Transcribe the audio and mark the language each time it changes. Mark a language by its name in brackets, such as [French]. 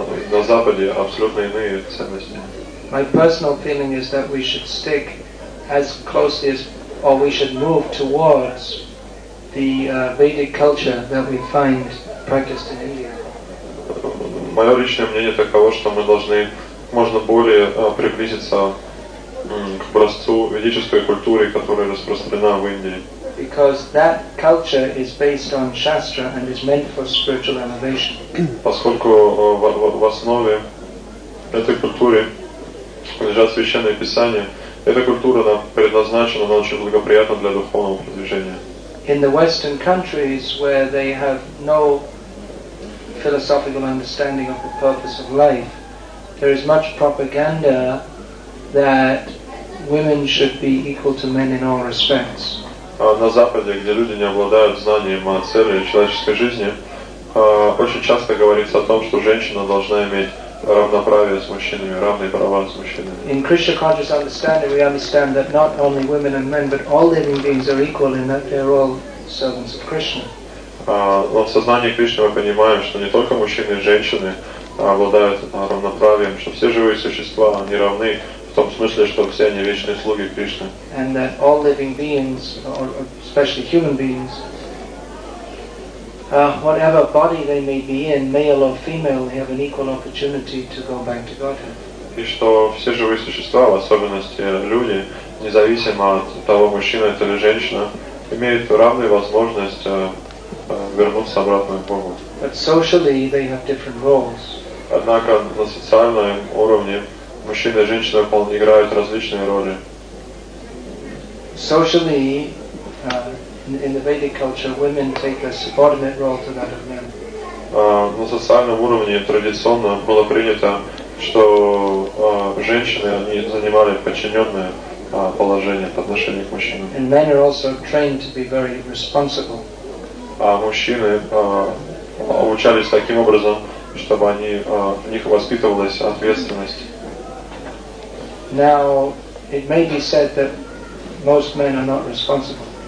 [Russian] На Западе абсолютно иные ценности. [English] My personal feeling is that we should stick as closely as, or we should move towards the Vedic culture that we find practiced in India. [Russian] Мое личное мнение таково, что мы должны можно более приблизиться к образцу ведической культуры, которая распространена в Индии. [English] Because that culture is based on shastra and is meant for spiritual elevation. [Russian] Поскольку в основе этой культуры лежат священные писания, эта культура она предназначена, она очень благоприятна для духовного продвижения. [English] In the Western countries where they have no philosophical understanding of the purpose of life, there is much propaganda that women should be equal to men in all respects. [Russian] На Западе, где люди не обладают знанием о цели человеческой жизни, Очень часто говорится о том, что женщина должна иметь равноправие с мужчинами, равные права с мужчинами. [English] In Krishna conscious understanding, we understand that not only women and men, but all living beings are equal in that they're all servants of Krishna. [Russian] Но в сознании Кришны мы понимаем, что не только мужчины и женщины обладают равноправием, что все живые существа, они равны в том смысле, что все они вечные слуги Кришны. [English] And that all living beings, or especially human beings, whatever body they may be in, male or female, they have an equal opportunity to go back to Godhead. [Russian] И что все живые существа, в особенности люди, независимо от того, мужчина это или женщина, имеют равную возможность вернуться обратно к Богу. [English] But socially they have different roles. [Russian] Однако на социальном уровне мужчина и женщина вполне играют различные роли. [English] Socially, in the Vedic culture, women take a subordinate role to that of men. [Russian] На социальном уровне традиционно было принято, что женщины они занимали подчиненное положение по отношению к мужчинам. [English] And men are also trained to be very responsible. [Russian] А мужчины обучались таким образом, чтобы они в них воспитывалась ответственность. [English] Now it may be said that most men are not responsible.